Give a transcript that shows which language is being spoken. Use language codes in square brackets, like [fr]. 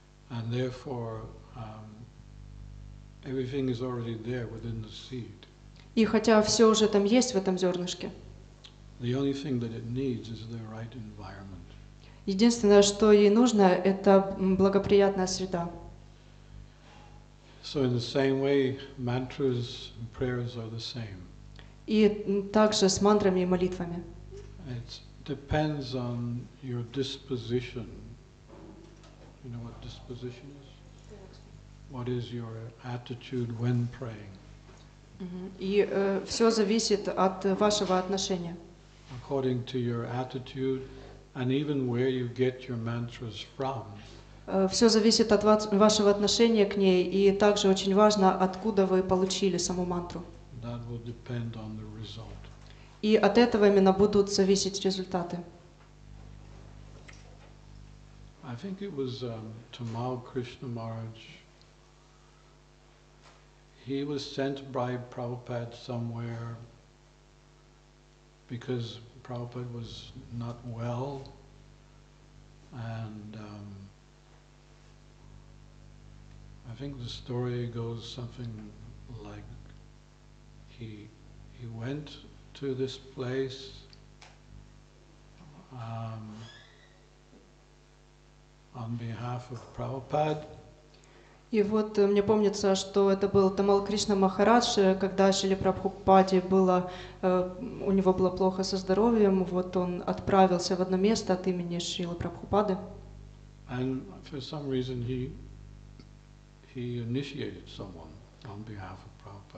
[en] And, and therefore, everything is already there within the seed. [ru] И хотя все уже там есть в этом зернышке. [en] The only thing that it needs is the right environment. [ru] Единственное, что ей нужно, это благоприятная среда. [en] So in the same way, mantras and prayers are the same. [ru] И также с мантрами и молитвами. [en] It depends on your disposition. You know what disposition is? What is your attitude when praying? [ru] И все зависит от вашего отношения. [en] According to your attitude, and even where you get your mantras from. [ru] Все зависит от вашего отношения к ней, и также очень важно, откуда вы получили саму мантру. [en] That will depend on the result. [ru] И от этого именно будут зависеть результаты. [en] I think it was Tamal Krishna Maharaj. He was sent by Prabhupada somewhere because Prabhupada was not well, and I think the story goes something like he went to this place on behalf of Prabhupada. [ru] И вот мне помнится, что это был Тамал Кришна Махарадж, когда Шили Прабхупаде было, у него было плохо со здоровьем, вот он отправился в одно место от имени Шили Прабхупады. [en] And for some reason he initiated someone on behalf of Prabhupada.